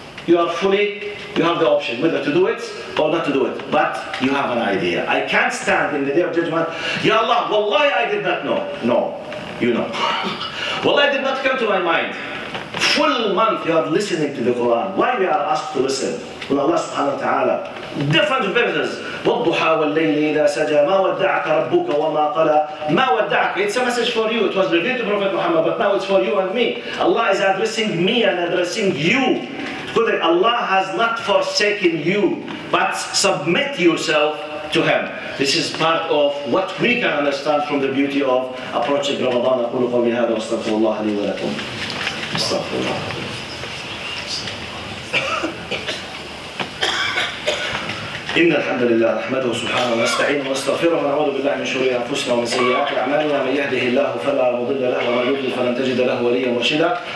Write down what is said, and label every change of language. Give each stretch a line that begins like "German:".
English: You have the option whether to do it or not to do it. But you have an idea. I can't stand in the day of judgment.
Arabic: Ya Allah, wallahi,
English: I did not know. No, you know. Wallahi, it did not come to my mind. Full month you are listening to the Quran. Why we are asked to listen? When Allah
Arabic: subhanahu wa ta'ala,
English: different verses.
Arabic: والضحى والليل إذا سجى ما ودعك ربك وما قلى ما ودعك.
English: It's a message for you. It was revealed to Prophet Muhammad, but now it's for you and me. Allah is addressing me and addressing you. Because Allah has not forsaken you, but submit yourself to Him. This is part of what we can understand from the beauty of approaching Ramadan.
Arabic: أقول قولي هذا واستغفر الله لي ولكم. استغفر الله. إن الحمد لله نحمده سبحانه ونستعينه ونستغفره ونعوذ بالله من شرور أنفسنا ومن سيئات أعمالنا. من يهده الله فلا مضل له ومن يضلل فلن تجد له وليا مرشدا.